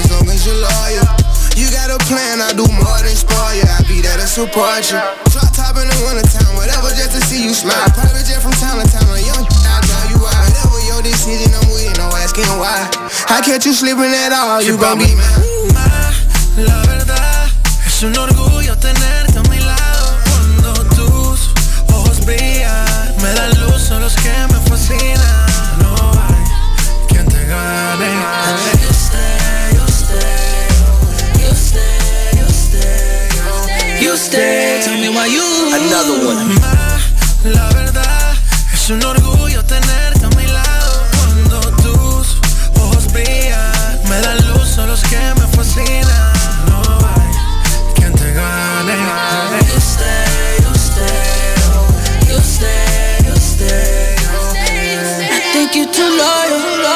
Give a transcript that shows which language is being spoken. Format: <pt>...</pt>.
<en>As long as you're loyal. You got a plan, I do more than spoil you. I be there to support you. Drop top in the wintertime, whatever, just to see you smile. Private jet from town to town, a young kid, I'll tell you why. Whatever your decision, I'm with you, no asking why. How can't you sleeping at all, you gon' be mad.</en> <es>Ma, la verdad, es un orgullo tenerte a mi lado. Cuando tus ojos brillan, me dan luz, son los que me fascinan. No hay quien te gane.</es> <en>Tell me why you. Another one.</en> <es>Ma, la verdad, es un orgullo tenerte a mi lado. Cuando tus ojos brillan, me dan luz, son los que me fascinan. No hay quien te gane.</es> <en>You stay, you stay, you stay, you stay, you stay, you stay. I think you're too loyal.</en>